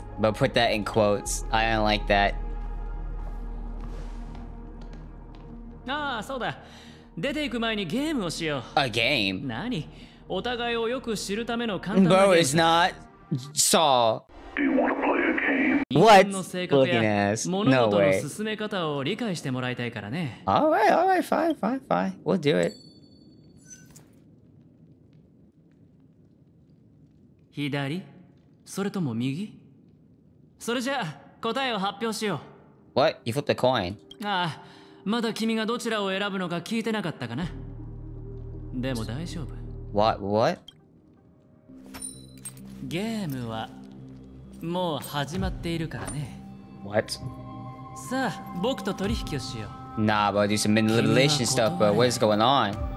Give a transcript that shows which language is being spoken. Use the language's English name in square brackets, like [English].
[English] But put that in quotes. I don't like that. [Japanese] ああ、そうだ。出ていく前にゲームをしよう。 [English] A game? [Japanese] 何？お互いをよく知るための簡単なゲーム。 [English] Bro is not Saw. Do you want to play a game? What? Looking ass. No way. [Japanese] 物事の進め方を理解してもらいたいからね。 [English] Alright, alright, fine, fine, fine. We'll do it. [Japanese] 左？それとも右？それじゃあ答えを発表しよう。 [English] What? You flipped a coin. [Japanese] ああ、まだ君がどちらを選ぶのか聞いてなかったかな。でも大丈夫。 [English] What? What? [Japanese] ゲームはもう始まっているからね。 [English] What? [Japanese] さあ、僕と取引をしよう。 [English] Nah, but do some manipulation stuff, but what is going on?